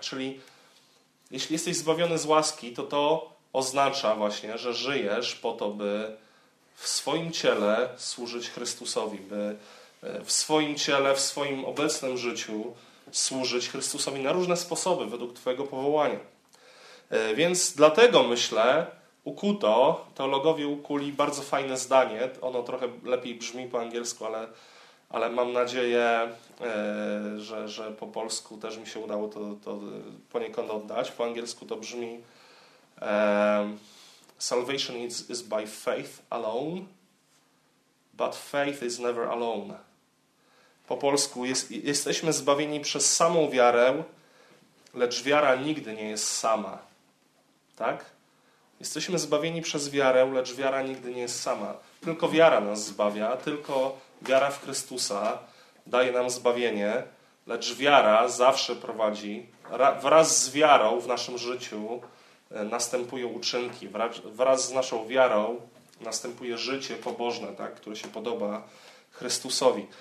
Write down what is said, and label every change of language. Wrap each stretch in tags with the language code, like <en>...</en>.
<pl>Czyli jeśli jesteś zbawiony z łaski, to to oznacza właśnie, że żyjesz po to, by w swoim ciele służyć Chrystusowi, by w swoim ciele, w swoim obecnym życiu służyć Chrystusowi na różne sposoby według Twojego powołania. Więc dlatego myślę, ukuto, teologowie ukuli bardzo fajne zdanie, ono trochę lepiej brzmi po angielsku, ale mam nadzieję, że po polsku też mi się udało to poniekąd oddać. Po angielsku to brzmi</pl> <en>salvation is by faith alone, but faith is never alone.</en> <pl>Po polsku jesteśmy zbawieni przez samą wiarę, lecz wiara nigdy nie jest sama. Tak? Jesteśmy zbawieni przez wiarę, lecz wiara nigdy nie jest sama. Tylko wiara nas zbawia, tylko wiara w Chrystusa daje nam zbawienie, lecz wiara zawsze prowadzi, wraz z wiarą w naszym życiu następują uczynki, wraz z naszą wiarą następuje życie pobożne, tak, które się podoba Chrystusowi.</pl>